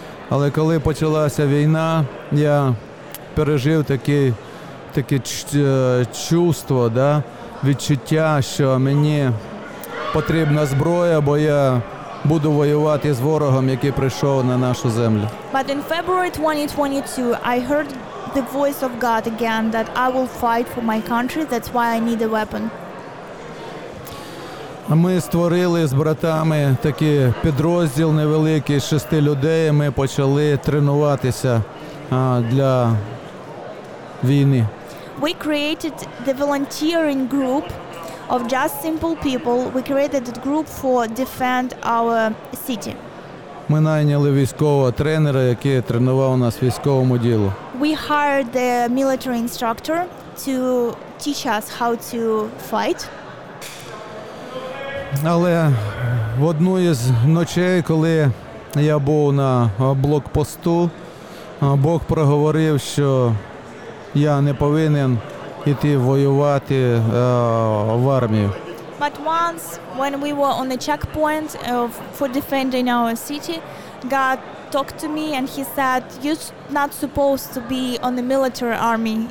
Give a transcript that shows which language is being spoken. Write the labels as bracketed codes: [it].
[uk] Але коли почалася війна, я пережив таке чувство, да, відчуття, що мені потрібна зброя, бо я буду воювати з ворогом, який прийшов на нашу землю. [en] But in February 2022, I heard the voice of God again that I will fight for my country, that's why I need a weapon. [uk] Ми створили з братами такий підрозділ невеликий з 6 людей, ми почали тренуватися для війни. [en] We created the volunteering group of just simple people. We created a group for defend our city. [uk] Ми найняли військового тренера, який тренував нас військовому ділу. [en] We hired the military instructor to teach us how to fight. [uk] Але в одну із ночей, коли я був на блокпосту, Бог проговорив, що я не повинен іти воювати в армію. [en] But once when we were on the checkpoint for defending our city, God talked to me and he said, you're not supposed to be on the military army.